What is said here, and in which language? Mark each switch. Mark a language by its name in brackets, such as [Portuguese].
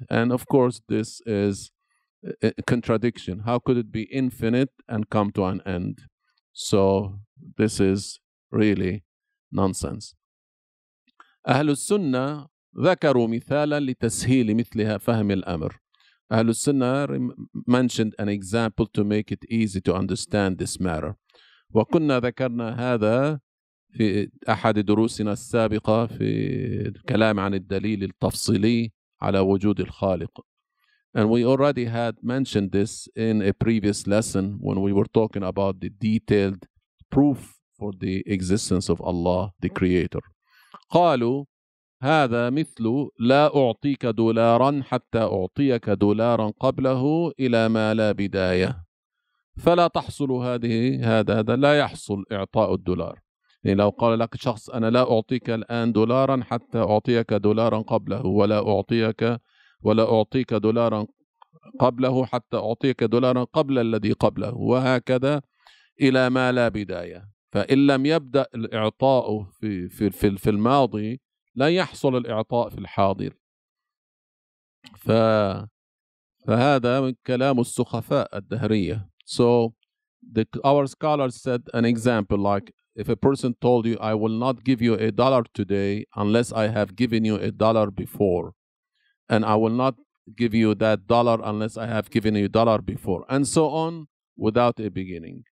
[English] And of course this is a contradiction. How could it be infinite and come to an end? So this is really nonsense. [Arabic] أهل السنة ذكروا مثالا لتسهيل مثلها فهم الأمر. [English] أهل السنة mentioned an example to make it easy to understand this matter. [Arabic] وكنا ذكرنا هذا في أحد دروسنا السابقة في الكلام عن الدليل التفصيلي على وجود الخالق. [English] And we already had mentioned this in a previous lesson when we were talking about the detailed proof for the existence of Allah, the Creator. [Arabic] قالوا هذا مثل لا أعطيك دولارا حتى أعطيك دولارا قبله إلى ما لا بداية. فلا تحصل هذا لا يحصل إعطاء الدولار. يعني لو قال لك شخص أنا لا أعطيك الآن دولارا حتى أعطيك دولارا قبله ولا أعطيك دولارا قبله حتى أعطيك دولارا قبل الذي قبله وهكذا إلى ما لا بداية. فإن لم يبدأ الإعطاء في الماضي لا يحصل الإعطاء في الحاضر. فهذا من كلام السخفاء الدهرية. [English] So our scholars said an example like if a person told you I will not give you a dollar today unless I have given you a dollar before and I will not give you that dollar unless I have given you a dollar before and so on without a beginning.